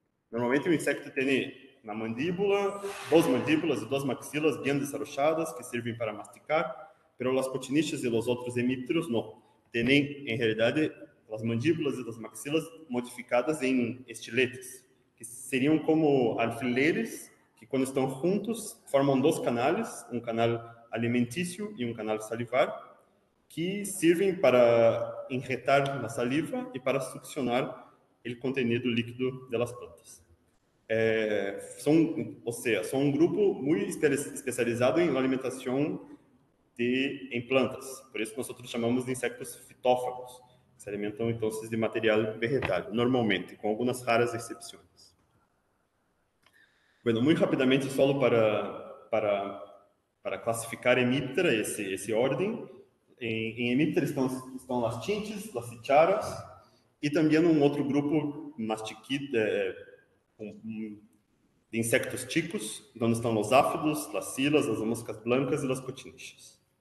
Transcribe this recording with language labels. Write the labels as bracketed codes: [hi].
[es] Normalmente un insecto tiene una mandíbula, dos mandíbulas y dos maxilas bien desarrolladas que sirven para masticar, pero las cochinillas y los otros hemípteros no. Tienen en realidad las mandíbulas y las maxilas modificadas en estiletes. [pt] Que seriam como alfileres que, quando estão juntos, formam dois canais, um canal alimentício e um canal salivar, que servem para injetar na saliva e para succionar o contenido líquido das plantas. São um grupo muito especializado em alimentação em plantas, por isso nós chamamos de insectos fitófagos, que se alimentam então de material vegetal, normalmente, com algumas raras exceções. [es] Bueno, muy rápidamente, solo para clasificar Hemiptera, ese orden. En Hemiptera están las chinches, las cicharas y también un otro grupo más chiquito de insectos chicos, donde están los áfidos, las silas, las moscas blancas y las cochinillas.